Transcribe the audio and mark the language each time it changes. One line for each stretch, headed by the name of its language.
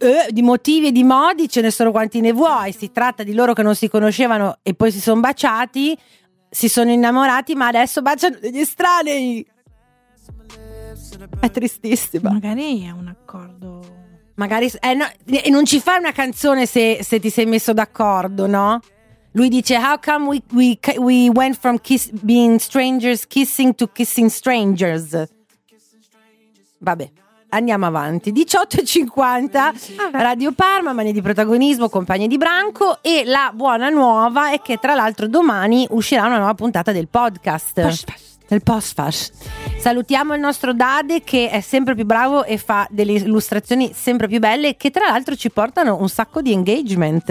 Italian: Di motivi e di modi ce ne sono quanti ne vuoi. Si tratta di loro che non si conoscevano e poi si sono baciati, si sono innamorati, ma adesso baciano degli estranei. È tristissima. Magari è un accordo. Magari non ci fai una canzone se ti sei messo d'accordo, no? Lui dice:
English: how come we went from being strangers kissing to kissing strangers.
Italian: Vabbè, andiamo avanti. 18:50, Radio Parma, Mani di Protagonismo, Compagne di Branco. E la buona nuova è che tra l'altro domani uscirà una nuova puntata del podcast del Postfash. Salutiamo il nostro Dade, che è sempre più bravo e fa delle illustrazioni sempre più belle, che tra l'altro ci portano un sacco di engagement.